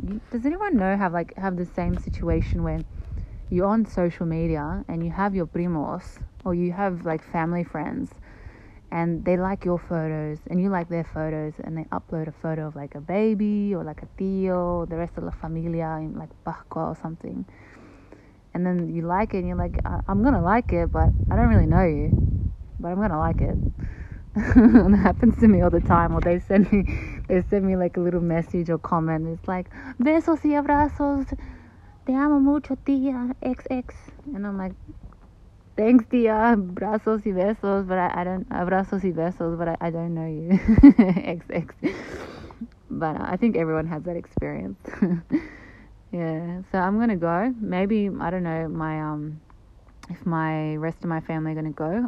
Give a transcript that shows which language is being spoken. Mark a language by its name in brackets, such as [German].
[English] Does anyone know, have the same situation where you're on social media and you have your primos, or you have like family friends, and they like your photos and you like their photos, and they upload a photo of like a baby or like a tío or the rest of [Spanish] la familia [English] in like Pascua or something, and then you like it and you're like, I'm gonna like it, but I don't really know you, but I'm gonna like it. And it happens to me all the time. Or they send me like a little message or comment. It's like, [Spanish] besos y abrazos, te amo mucho, tía, XX. [English] And I'm like, thanks, tía, [Spanish] brazos y besos, [English] but I don't, [Spanish] abrazos y besos, [English] but I don't know you, XX. But I think everyone has that experience. Yeah, so I'm going to go. Maybe, I don't know, my if my rest of my family are going to go.